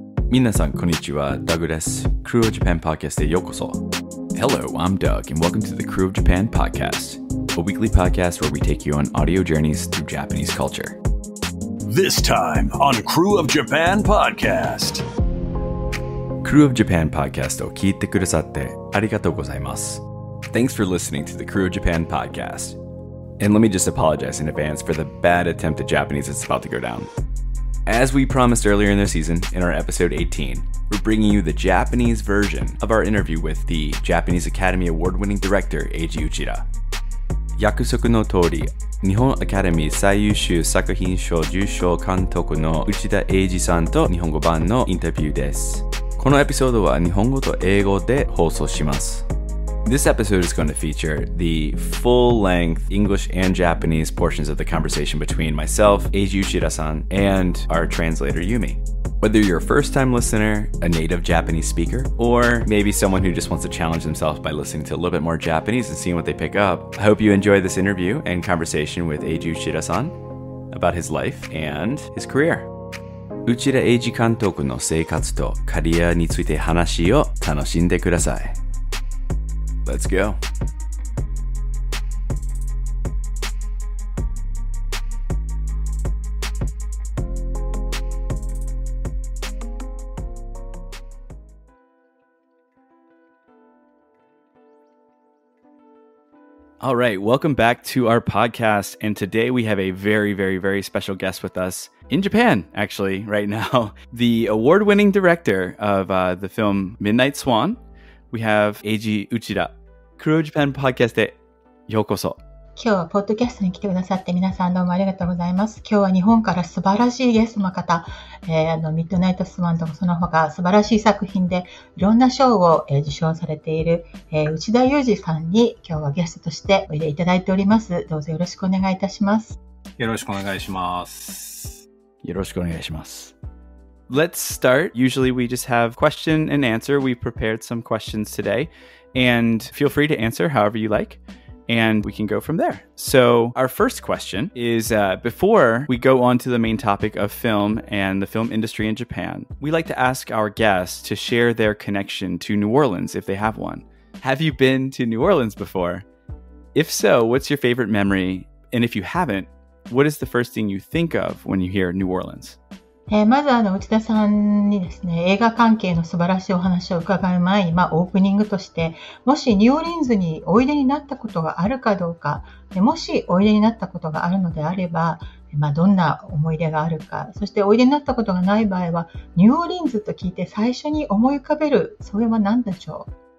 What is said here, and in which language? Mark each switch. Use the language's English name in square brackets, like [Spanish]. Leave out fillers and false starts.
[Japanese] 皆さんこんにちは、ダグです。 Krewe of Japan Podcast へようこそ。 [English] Hello, I'm Doug, and welcome to the Krewe of Japan Podcast, a weekly podcast where we take you on audio journeys through Japanese culture. This time on Krewe of Japan Podcast. [Japanese] Krewe of Japan Podcast を聞いてくださってありがとうございます。 [English] Thanks for listening to the Krewe of Japan Podcast. And let me just apologize in advance for the bad attempt at Japanese that's about to go down. As we promised earlier in the season, in our episode 18, we're bringing you the Japanese version of our interview with the Japanese Academy Award-winning director, Eiji Uchida. [Japanese] 約束の通り、日本アカデミー最優秀作品賞受賞監督の内田英治さんと日本語版のインタビューです。このエピソードは日本語と英語で放送します。 [English] This episode is going to feature the full-length English and Japanese portions of the conversation between myself, Eiji Uchida-san, and our translator, Yumi. Whether you're a first-time listener, a native Japanese speaker, or maybe someone who just wants to challenge themselves by listening to a little bit more Japanese and seeing what they pick up, I hope you enjoy this interview and conversation with Eiji Uchida-san about his life and his career. [Japanese] 内田英治監督の生活とキャリアについて話を楽しんでください。 [English] Let's go. All right, welcome back to our podcast. And today we have a very, very, very special guest with us in Japan, actually, right now. The award-winning director of the film Midnight Swan, we have Eiji Uchida. [Japanese] Krewe of Japan Podcast へようこそ。今日はポッドキャストに来てくださって皆さんどうもありがとうございます。今日は日本から素晴らしいゲストの方、ミッドナイトスワンとかその他素晴らしい作品でいろんな賞を、受賞されている、内田英治さんに今日はゲストとしておいでいただいております。どうぞよろしくお願いいたします。よろしくお願いします。よろしくお願いします。 [English] Let's start. Usually we just have question and answer. We've prepared some questions today. And feel free to answer however you like. And we can go from there. So our first question is, before we go on to the main topic of film and the film industry in Japan, we like to ask our guests to share their connection to New Orleans if they have one. Have you been to New Orleans before? If so, what's your favorite memory? And if you haven't, what is the first thing you think of when you hear New Orleans? [Japanese] まず内田さんにですね、映画関係の素晴らしいお話を伺う前に、まあ、オープニングとしてもしニューオーリンズにおいでになったことがあるかどうか、もしおいでになったことがあるのであれば、まあ、どんな思い出があるか、そしておいでになったことがない場合はニューオーリンズと聞いて最初に思い浮かべるそれは何でしょう。